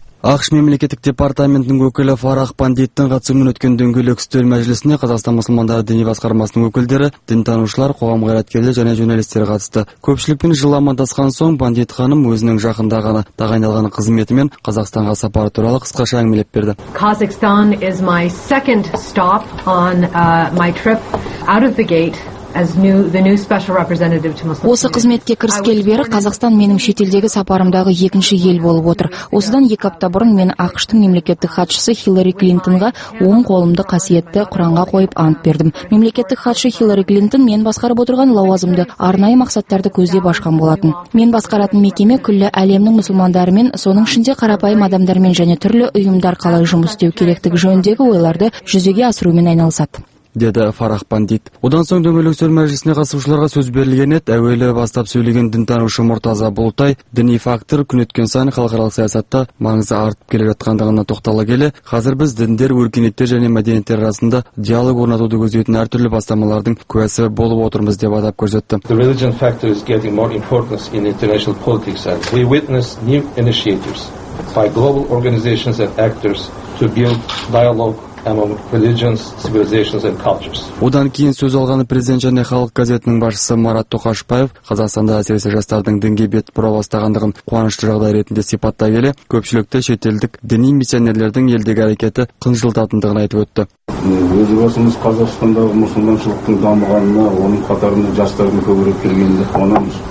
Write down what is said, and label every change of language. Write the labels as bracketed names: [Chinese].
[Kazakh] АҚШ мемлекеттік департаментінің өкілі Фарах Пандиттің қатысуымен өткен дөңгелек үстел мәжілісіне Қазақстан мұсылмандары діни басқармасының өкілдері, дінтанушылар, қоғам қайраткерлері және журналистер қатысты. Көпшілікпен жылы амандасқан соң Пандит ханым өзінің жақында ғана тағайындалған қызметімен Қазақстанға сапары туралы қысқаша әңгімелеп берді. [English] Kazakhstan is my second stop on my trip out of the gate. [Kazakh] Осы қызметке кіріскелі бері Қазақстан менің шетелдегі сапарымдағы екінші ел болып отыр. Осыдан екі апта бұрын мен ақштың мемлекеттік хатшысы Хиллари Клинтонға оң қолымды қасиетті Құранға қойып ант бердім. Мемлекеттік хатшы Хиллари Клинтон мен басқарып отырған лауазымды арнайы мақсаттарды көздеп ашқан болатын. Мен басқаратын мекеме күллі әлемнің мұсылмандарымен, соның ішінде қарапайым адамдармен және түрлі ұйымдар қалай жұмыс істеу керектігі жөніндегі ойларды жүзеге асырумен айналысады. Деді Фарах Пандит. Одан соң дөңгелек үстел мәжілісіне қатысушыларға сөз берілген еді. Әуелі бастап сөйлеген дінтанушы Мұртаза Болтай, діни фактор күн өткен сайын халықаралық саясатта маңызы артып келе жатқандығына тоқтала келе, қазір біз діндер, өркениеттер және мәдениеттер арасында диалог орнатуды көздейтін әртүрлі бастамалардың куәсі болып отырмыз деп атап көрсетті. [English] The religion factor is getting more importance in international politics and we witness new initiatives by global organizations and actors to build dialogue among religions, civilizations and cultures. [Kazakh] Одан кейін сөз алған президент және халық газетінің басшысы Марат Тоқашбаев Қазақстанда әсіресе жастардың дінге бет бұра бастағандығын қуанышты жағдай ретінде сипаттай келе, көпшілікті шетелдік діни миссионерлердің елдегі әрекеті қынжылтатындығын айтып өтті. Өз басымыз Қазақстандағы мұсылманшылықтың дамығанына, оның қатарында жастардың көбірек келгеніне қуанамыз.